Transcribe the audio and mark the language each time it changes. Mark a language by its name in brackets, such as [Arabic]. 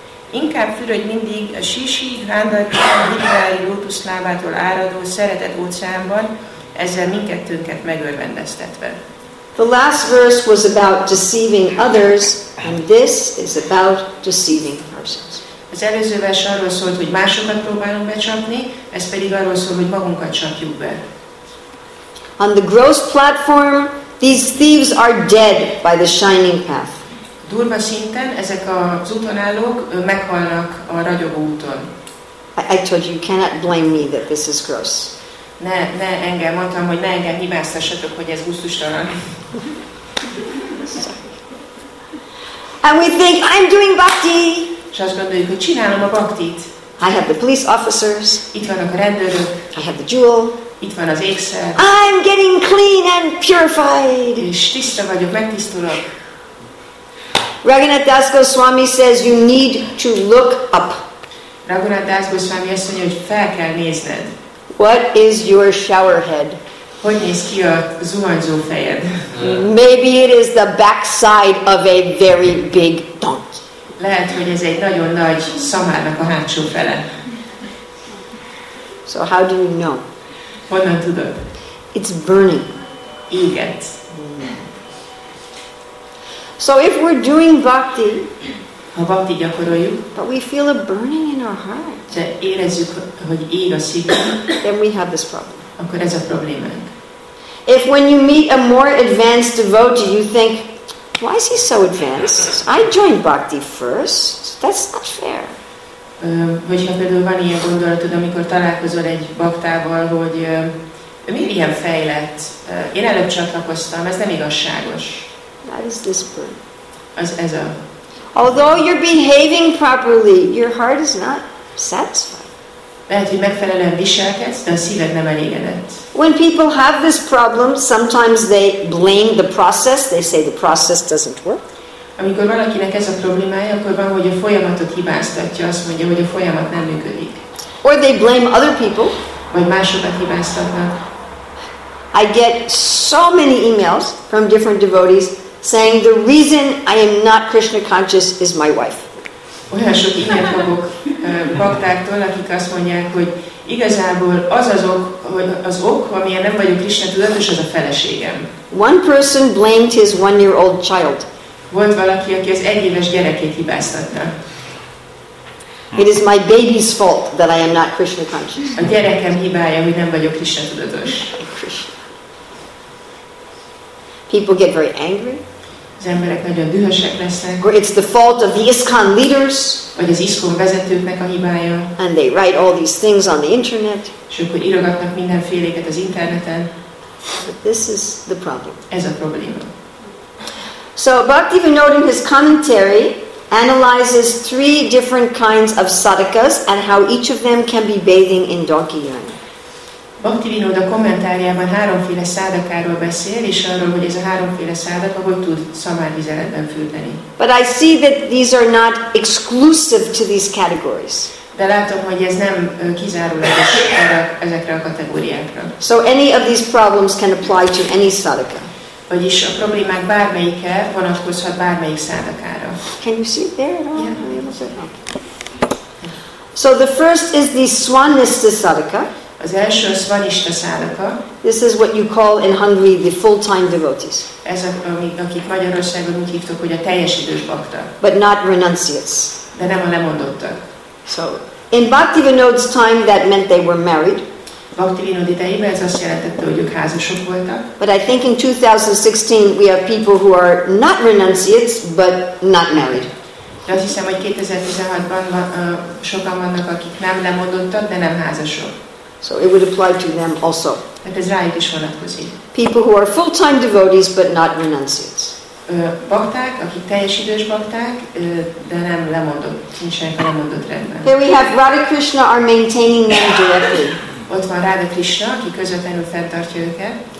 [Hungarian] Inkább fürödj mindig a sisi, rándalkában, hidrái lótuszlábától áradó szeretet óceánban, ezzel mindkettőnket megörvendeztetve. [English] The last verse was about deceiving others, and this is about deceiving ourselves. [Hungarian] Az előző vers arról szólt, hogy másokat próbálunk becsapni, ez pedig arról szól, hogy magunkat csapjuk be. [English] On the gross platform, these thieves are dead by the shining path. [Hungarian] Durva szinten ezek az útonállók meghalnak a ragyogó úton. [English] I told you, you cannot blame me that this is gross. [Hungarian] Ne engem, mondtam, hogy ne engem hibáztassatok, hogy ez gusztustalan. [English] And we think, I'm doing bhakti. [Hungarian] És azt gondoljuk, hogy csinálom a bhaktit. [English] I have the police officers. [Hungarian] Itt vannak a rendőrök. [English] I have the jewel. [Hungarian] Itt van az ékszer. [English] I'm getting clean and purified. [Hungarian] És tiszta vagyok, megtisztulok. [English] Raghunath Das Goswami says you need to look up. [Hungarian] Raghunath Das Goswami azt mondja, hogy fel kell nézned. [English] What is your shower head? [Hungarian] Hogy néz ki a zuhanyzó fejed? [English] Maybe it is the backside of a very big donkey. [Hungarian] Lehet, hogy ez egy nagyon nagy szamárnak a hátsó fele. [English] So how do you know? [Hungarian] Honnan tudod? [English] It's burning. [Hungarian] Éget. [English] So if we're doing bhakti, [Hungarian] ha bhakti gyakoroljuk, [English] but we feel a burning in our heart, [Hungarian] de érezzük, hogy ég a szívünk, [English] then we have this problem. [Hungarian] Akkor ez a problémánk. [English] If when you meet a more advanced devotee, you think, why is he so advanced? I joined bhakti first. That's not fair. [Hungarian] Hogyha például van ilyen gondolatod, amikor találkozol egy bhaktával, hogy miért ilyen fejlett? Én előbb csatlakoztam, ez nem igazságos. [English] That is this burn. [Hungarian] Ez a. [English] Although you're behaving properly, your heart is not satisfied. [Hungarian] Lehet, hogy megfelelően viselkedsz, de a szíved nem elégedett. [English] When people have this problem, sometimes they blame the process. They say the process doesn't work. [Hungarian] Amikor valakinek ez a problémája, akkor van, hogy a folyamatot hibáztatja, azt mondja, hogy a folyamat nem működik. [English] Or they blame other people. [Hungarian] Vagy másokat hibáztatnak. [English] I get so many emails from different devotees saying the reason I am not Krishna conscious is my wife. [Hungarian] Olyan sok e-mail kapok baktáktól, akik azt mondják, hogy igazából az ok, amilyen nem vagyok Krishna tudatos, az a feleségem. [English] One person blamed his one-year-old child. [Hungarian] Volt valaki, aki az egy éves gyerekét hibáztatta. [English] It is my baby's fault that I am not Krishna conscious. [Hungarian] A gyerekem hibája, hogy nem vagyok Krishna tudatos. [English] People get very angry. [Hungarian] Az emberek nagyon dühösek lesznek. [English] Or it's the fault of the ISKCON leaders. [Hungarian] Vagy az ISKCON vezetőknek a hibája. [English] And they write all these things on the internet. [Hungarian] És akkor írogatnak mindenféléket az interneten. [English] But this is the problem. [Hungarian] Ez a probléma. [English] So Bhaktivinoda in his commentary analyzes three different kinds of sadhakas and how each of them can be bathing in donkey urine. [Hungarian] Bhaktivinoda kommentárjában háromféle sadhakáról beszél, és arról, hogy ez a háromféle sadhaka hogy tud szamárvizeletben fürdeni. [English] But I see that these are not exclusive to these categories. [Hungarian] De látom, hogy ez nem kizárólagos ezekre a kategóriákra. [English] So any of these problems can apply to any sadhaka. [Hungarian] Vagyis a problémák bármelyike vonatkozhat bármelyik szádakára. [English] Can you see it there? No? Yeah. Okay. So the first is the Svanista szádaka. [Hungarian] Az első a Svanista szádaka. [English] This is what you call in Hungary the full-time devotees. [Hungarian] Ez a, akik Magyarországon úgy hívtok, hogy a teljes idős bakta. [English] But not renunciates. [Hungarian] De nem a lemondottak. [English] So in Bhaktivinoda's time that meant they were married. [Hungarian] Bhaktivinoda idejében ez azt jelentette, hogy ők házasok voltak. [English] But I think in 2016 we have people who are not renunciates, but not married. [Hungarian] De azt hiszem, hogy 2016-ban sokan vannak, akik nem lemondottak, de nem házasok. [English] So it would apply to them also. [Hungarian] Hát ez rájuk is vonatkozik. [English] People who are full-time devotees, but not renunciates. [Hungarian] Bakták, akik teljes idős bakták, de nem lemondott, nincsenek a lemondott rendben. [English] Here we have Radha Krishna are maintaining them directly. [Hungarian] Ott van Radha Krishna, aki közvetlenül fenntartja őket.